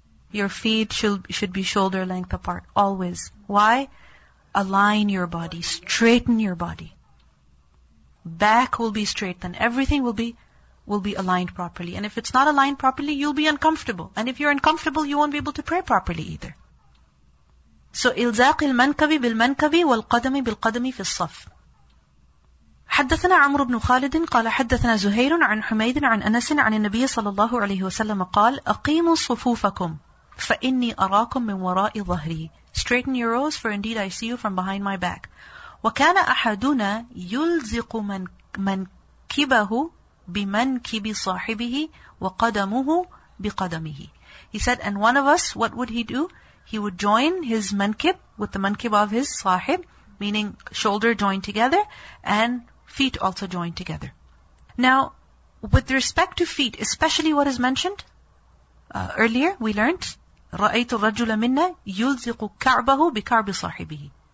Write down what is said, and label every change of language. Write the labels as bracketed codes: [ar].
[en] Your feet should be shoulder length apart, always. Why? Align your body, straighten your body. Back will be straight, then everything will be aligned properly. And if it's not aligned properly, you'll be uncomfortable. And if you're uncomfortable, you won't be able to pray properly either. [ar] So, إلزاق المنكب بالمنكب والقدم بالقدم في الصف. حدثنا عمرو بن خالد قال حدثنا زهير عن حميد عن أنس عن النبي صلى الله عليه وسلم قال أقيموا صفوفكم فإني أراكم من وراء ظهري. [en] Straighten your rows, for indeed I see you from behind my back. [ar] وكان أحدنا يلزق منكبه بمنكب صاحبه وقدمه بقدمه. [en] He said, and one of us, what would he do? He would join his mankib with the mankib of his sahib, meaning shoulder joined together and feet also joined together. Now, with respect to feet, especially what is mentioned earlier, we learned [ar] رأيت الرجل منا يلزق كعبه بكعب صاحبه.